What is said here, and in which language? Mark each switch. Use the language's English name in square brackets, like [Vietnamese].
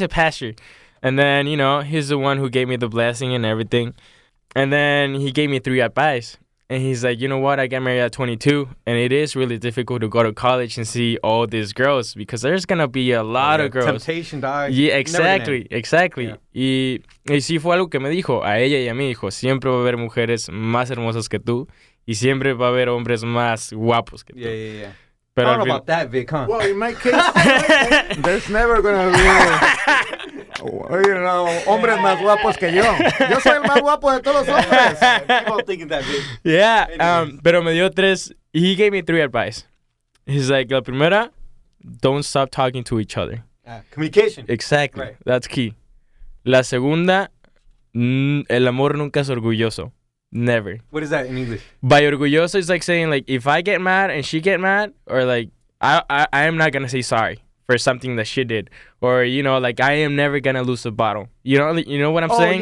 [English] a pastor. And then, you know, he's the one who gave me the blessing and everything. And then he gave me 3 advice. And he's like, you know what? I got married at 22. And it is really difficult to go to college and see all these girls, because there's going to be a lot of girls. Temptation, dog. Yeah, exactly. Yeah. [Spanish] Y sí fue algo que me dijo a ella y a mí. Dijo, siempre va a haber mujeres más hermosas que tú. Y siempre va a haber hombres más guapos que tú. [English] Yeah. [Spanish] Pero [English] I don't know about that, Vic, huh? Well, in my case, there's never gonna be, you know, [Spanish] hombres más guapos que yo. Yo soy el más guapo de todos los hombres. [English] People thinking that, Vic. Yeah, [Spanish] pero me dio tres. [English] He gave me 3 advice. He's like, [Spanish] la primera, [English] don't stop talking to each other. Communication. Exactly. Right. That's key. [Spanish] La segunda, el amor nunca es orgulloso. [English] Never. What is that in English? By orgulloso is like saying, like, if I get mad and she get mad, or like, I am not going to say sorry for something that she did. Or, you know, like, I am never going to lose a battle. You know what I'm saying?